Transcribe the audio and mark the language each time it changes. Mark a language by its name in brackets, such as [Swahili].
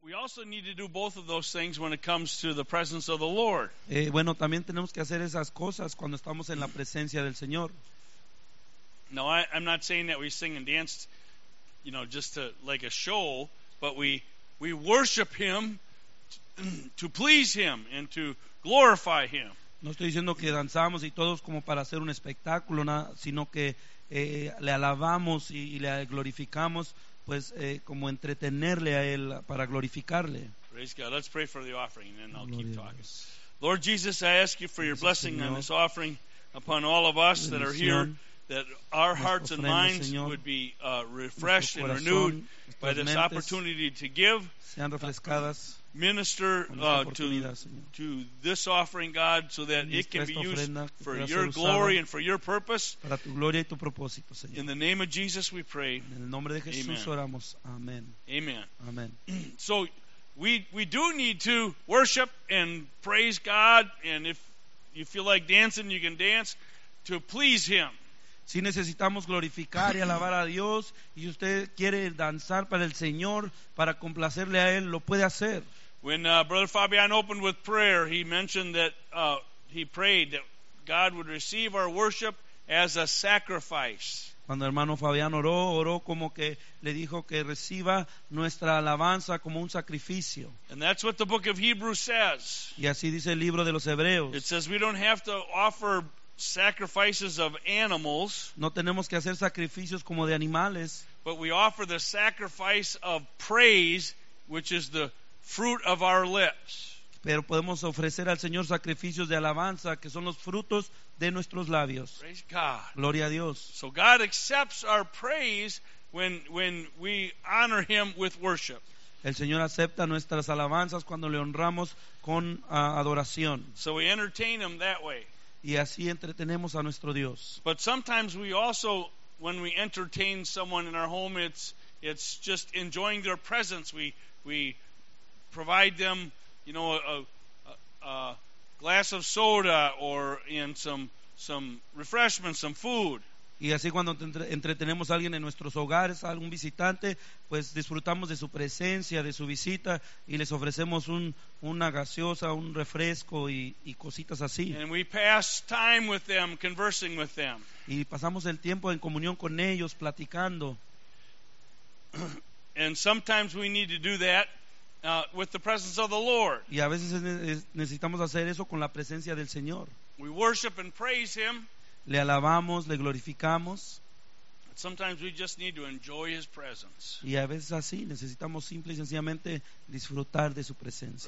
[English] also need to do both of those things when it comes to the presence of the Lord. [Spanish] Bueno, también tenemos que hacer esas cosas cuando estamos en la presencia del Señor. [English] No, I'm not saying that we sing and dance, you know, just to like a show, but we worship Him to please Him and to glorify Him. [Spanish] No estoy diciendo que danzamos y todos como para hacer un espectáculo, sino que le alabamos y le glorificamos, pues como entretenerle a él para glorificarle. [English] Praise God. Let's pray for the offering, and then I'll keep talking. Lord Jesus, I ask you for your blessing on this offering upon all of us that are here, that our hearts and minds would be refreshed and renewed by this opportunity to give, [Spanish] sean refrescadas, [English] minister to this offering, God, so that it can be used for your glory and for your purpose. [Spanish] Para tu gloria y tu propósito, Señor. [English] In the name of Jesus we pray. [Spanish] En el nombre de Jesús, amen. Oramos. Amen. Amen. Amen. [English] So we do need to worship and praise God, and if you feel like dancing, you can dance to please Him. [Spanish] Si necesitamos glorificar y alabar a Dios, y usted quiere danzar para el Señor, para complacerle a Él, lo puede hacer. [English] When Brother Fabian opened with prayer, he mentioned that he prayed that God would receive our worship as a sacrifice. [Spanish] Cuando el hermano Fabián oró, oró como que le dijo que reciba nuestra alabanza como un sacrificio. [English] And that's what the book of Hebrews says. [Spanish] Y así dice el libro de los Hebreos. [English] It says we don't have to offer sacrifices of animals. [Spanish] No tenemos que hacer sacrificios como de animales. [English] But we offer the sacrifice of praise, which is the fruit of our lips. [Spanish] Pero podemos ofrecer al Señor sacrificios de alabanza, que son los frutos de nuestros labios. [English] Praise God. [Spanish] Gloria a Dios. [English] So God accepts our praise when we honor Him with worship. [Spanish] El Señor acepta nuestras alabanzas cuando le honramos con adoración. [English] So we entertain Him that way. [Spanish] Y así entretenemos a nuestro Dios. [English] But sometimes we also, when we entertain someone in our home, it's just enjoying their presence. We provide them, you know, a glass of soda or in some refreshments, some food. [Spanish] Y así cuando entretenemos a alguien en nuestros hogares, a algún visitante, pues disfrutamos de su presencia, de su visita, y les ofrecemos una gaseosa, un refresco y cositas así. [English] And we pass time with them, conversing with them. [Spanish] Y pasamos el tiempo en comunión con ellos, platicando. [English] And sometimes we need to do that with the presence of the Lord. [Spanish] Y a veces necesitamos hacer eso con la presencia del Señor. [English] We worship and praise Him. [Spanish] Le alabamos, le glorificamos. [English] But sometimes we just need to enjoy His presence. [Spanish] Y a veces así, necesitamos simple y sencillamente disfrutar de su presencia.